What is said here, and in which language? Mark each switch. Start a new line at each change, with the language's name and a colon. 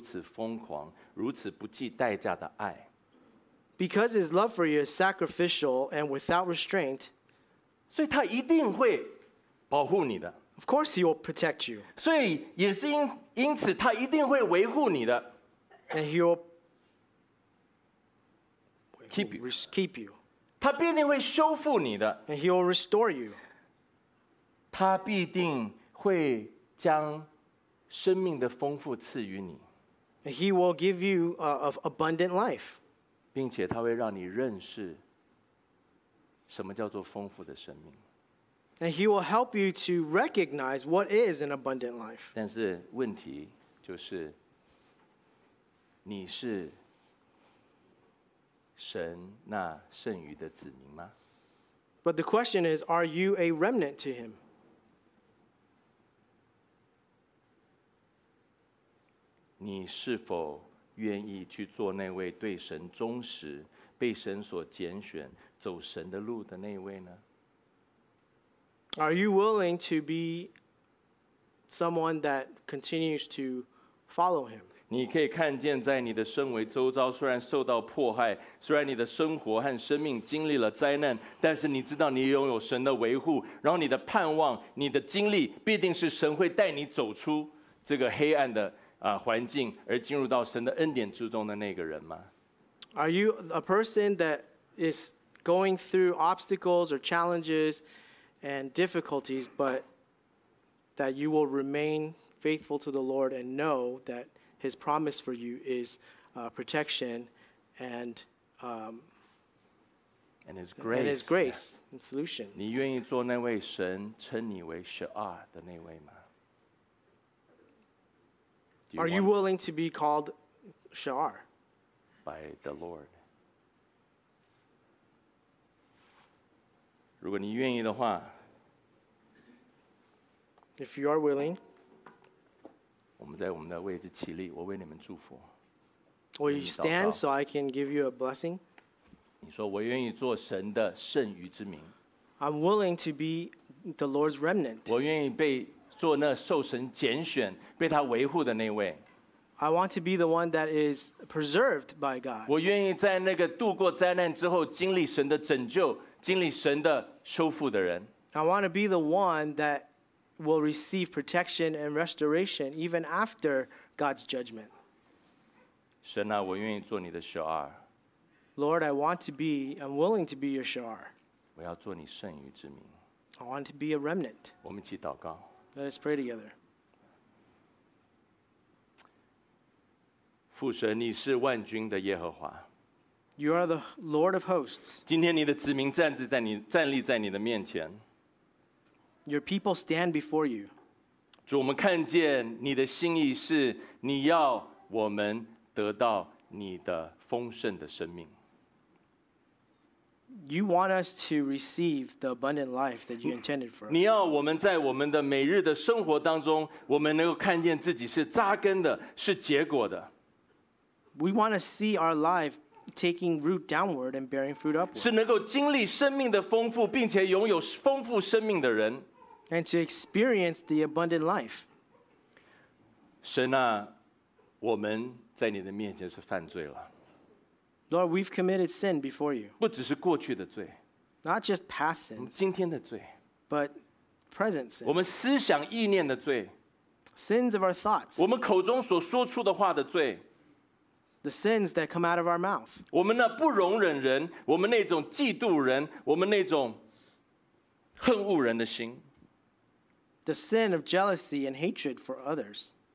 Chinese: 因为神对我们的爱是如此无私，如此疯狂，如此不计代价的爱。
English: Because his love for you is sacrificial and without restraint.
Chinese: 所以他一定会保护你的。
English: Of course he will protect you.
Chinese: 所以也是因此他一定会维护你的。
English: And he will keep you.
Chinese: 他必定会修复你的。
English: And he will restore you.
Chinese: 他必定会将生命的丰富赐予你。
English: And he will give you of abundant life.
Chinese: 并且他会让你认识什么叫做丰富的生命。
English: And he will help you to recognize what is an abundant life.
Chinese: 但是问题就是你是神那剩余的子民吗？
English: But the question is, are you a remnant to him?
Chinese: 你是否愿意去做那位对神忠实、被神所拣选、走神的路的那位呢？
English: Are you willing to be someone that continues to follow him?
Chinese: 你可以看见在你的身为周遭虽然受到迫害，虽然你的生活和生命经历了灾难，但是你知道你拥有神的维护，然后你的盼望、你的经历必定是神会带你走出这个黑暗的环境，而进入到神的恩典之中的那个人吗？
English: Are you a person that is going through obstacles or challenges and difficulties, but that you will remain faithful to the Lord and know thathis promise for you is protection and his grace、yeah. and solutions.
Chinese: 你愿意做那位神称你为Sha'ar的那位吗？
English: Are you willing to be called Sha'ar? By the Lord.
Chinese: 如果你愿意的话，
English: If you are willing,
Chinese: 我们在我们的位置起立，我为你们祝福。
English: Will you stand so I can give you a blessing?
Chinese: 你说我愿意做神的剩余之民。
English: I'm willing to be the Lord's remnant.
Chinese: 我愿意被做那受神拣选、被他维护的那位。
English: I want to be the one that is preserved by God.
Chinese: 我愿意在那个度过灾难之后，经历神的拯救、经历神的修复的人。
English: I want to be the one that. Will receive protection and restoration even after God's judgment.
Chinese: 神啊，我愿意做你的Sha'ar。
English: Lord, I want to be, I'm willing to be your Sha'ar.
Chinese: 我要做你剩余之民。
English: I want to be a remnant.
Chinese: 我们一起祷告。
English: Let us pray together.
Chinese: 父神，你是万军的耶和华。
English: You are the Lord of hosts.
Chinese: 今天你的子民站立在你的面前。
English: Your people stand before you.
Chinese: 主，我们看见你的心意是你要我们得到你的丰盛的生命。
English: You want us to receive the abundant life that you intended for us.
Chinese: 你要我们在我们的每日的生活当中，我们能够看见自己是扎根的，是结果的。
English: We want to see our life taking root downward and bearing fruit upward.
Chinese: 是能够经历生命的丰富，并且拥有丰富生命的人。
English: And to experience the abundant life.
Chinese: 神啊，我们在你的面前是犯罪了。
English: Lord, we've committed sin before you.
Chinese: 不只是过去的罪。
English: Not just past sins.
Chinese: 我们今天的罪,
English: but present sins.
Chinese: 我们思想意念的罪,
English: sins of our thoughts.
Chinese: 我们口中所说出的话的罪,
English: the sins that come out of our mouth.
Chinese: 我们那不容忍人, 我们那种嫉妒人, 我们那种恨恶人的心,
English: the sin of jealousy and hatred for others.